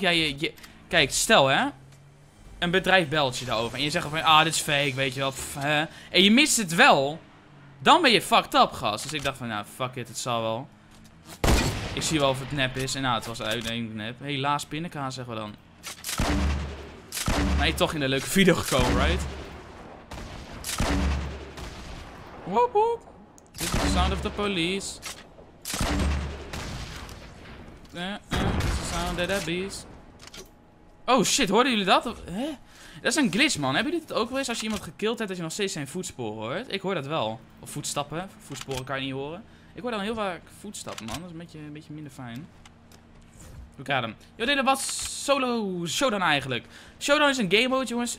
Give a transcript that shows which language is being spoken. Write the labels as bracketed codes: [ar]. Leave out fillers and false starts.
[nl] Ja, kijk, stel hè, een bedrijf belt je daarover en je zegt van, ah, dit is fake, weet je wel, en je mist het wel, dan ben je fucked up, gast. Dus ik dacht van, nou, fuck it, het zal wel. Ik zie wel of het nep is, en nou, het was uiteindelijk nep. Helaas pindakaas, zeggen we dan. Maar je toch in een leuke video gekomen, right? Woop woop. [en] This is the sound of the police. This is the sound of the beast. [nl] Oh shit, hoorden jullie dat? Hè? Dat is een glitch, man. Hebben jullie het ook wel eens als je iemand gekillt hebt dat je nog steeds zijn voetsporen hoort? Ik hoor dat wel. Of voetstappen. Voetsporen kan je niet horen. Ik hoor dan heel vaak voetstappen, man. Dat is een beetje minder fijn. [en] Look at him. [nl] Yo, dit was solo showdown eigenlijk. Showdown is een game mode, jongens.